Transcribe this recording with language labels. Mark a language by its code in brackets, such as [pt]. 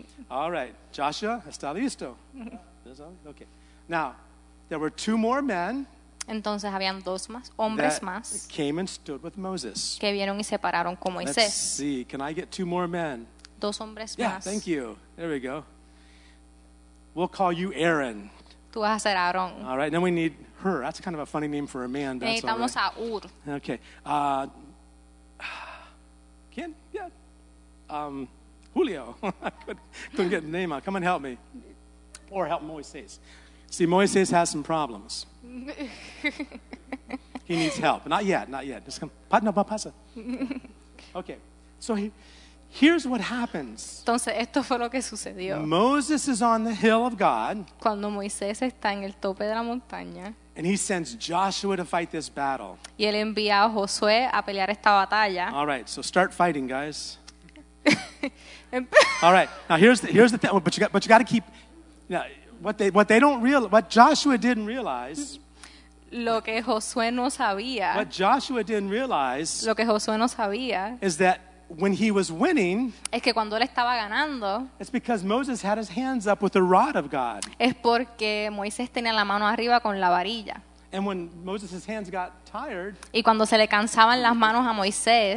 [en] All right, Joshua, [es] ¿está listo? [en] Okay. Now, there were two more men. [es] Entonces habían dos más hombres [en] that [es] más [en] came and stood with Moses. [es] Que vieron y se pararon con Moisés. [en] Let's see, can I get two more men? [es] Dos hombres [en] yeah, [es] más. [en] Yeah, thank you. There we go. We'll call you Aaron. [es] Tú vas a ser Aaron. [en] All right, then we need Hur. That's kind of a funny name for a man. That's [es] necesitamos [en] all right. [es] A Ur. [en] Okay. Can? Yeah. Julio. couldn't get the name out. Come and help me. Or help Moisés. See, Moisés has some problems. He needs help. Not yet, not yet. Just come. [es] No, pasa. [en] Okay. So here's what happens. [es] Entonces, esto fue lo que sucedió. [en] Moses is on the hill of God. [es] Cuando Moisés está en el tope de la montaña. [en] And he sends Joshua to fight this battle. [es] Y él envía a Josué a pelear esta batalla. [en] All right. So start fighting, guys. All right. Now here's the thing. But you got to keep. Now, What Joshua didn't realize. [es] Lo que Josué no sabía. [en] What Joshua didn't realize. [es] Lo que Josué no sabía. [en] Is that when he was winning. [es] Es que cuando él estaba ganando. [en] It's because Moses had his hands up with the rod of God. [es] Es porque Moisés tenía la mano arriba con la varilla. [en] And when Moses' hands got tired. [es] Y cuando se le cansaban las manos a Moisés.